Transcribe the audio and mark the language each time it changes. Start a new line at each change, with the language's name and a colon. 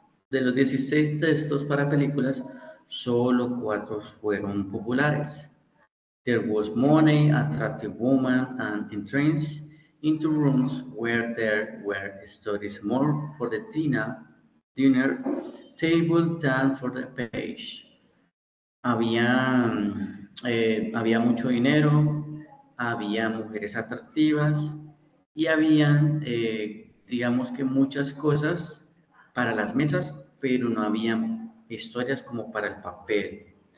Spanish: De los 16 textos para películas, solo cuatro fueron populares.
English: There was money, attractive woman, and entrance into rooms where there were stories more for the dinner table than for the page.
Spanish: Había mucho dinero, había mujeres atractivas y habían, digamos que muchas cosas para las mesas, pero no había historias como para el papel.